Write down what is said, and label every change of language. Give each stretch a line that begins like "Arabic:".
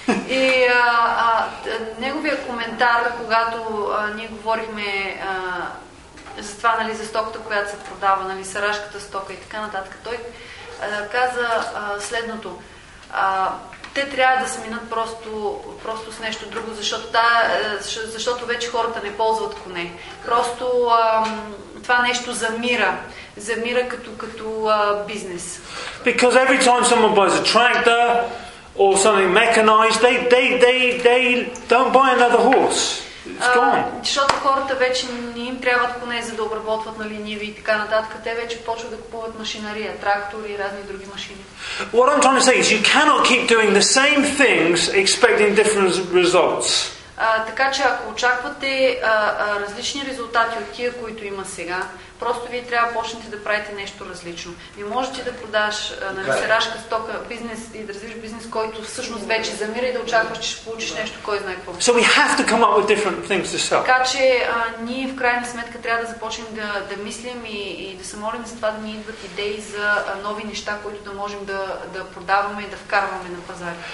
Bulgarian: И неговия коментар, когато ние говорихме за това, нали, за стоката, която се продава, нали, сарашката стока и така нататък, той каза следното. Те трябва да сменят просто с нещо друго, защото вече хората не ползват коне. Просто това нещо замира. Замира като бизнес.
English: Because every time someone buys a tractor, or something mechanized, they don't buy another horse.
Bulgarian: Защото хората вече не им трябват поне за да обработват на ливи и така нататък. Те вече почват да купуват машинария, трактори и разни други машини.
English: What I'm trying to say is you cannot keep doing the same things expecting different results.
Bulgarian: Така че ако очаквате различни резултати от тия, които има сега, просто вие трябва да почнете да правите нещо различно. Не можете да продаш на сарашка стока бизнес и да развиш бизнес, който всъщност вече замира и да очакваш, че ще получиш нещо, кой знае какво.
English: So we have to come up with different things to sell.
Bulgarian: Така че ние в крайна сметка трябва да започнем да мислим и да се молим за това да ни идват идеи за нови неща, които да можем да продаваме и да вкарваме на пазари.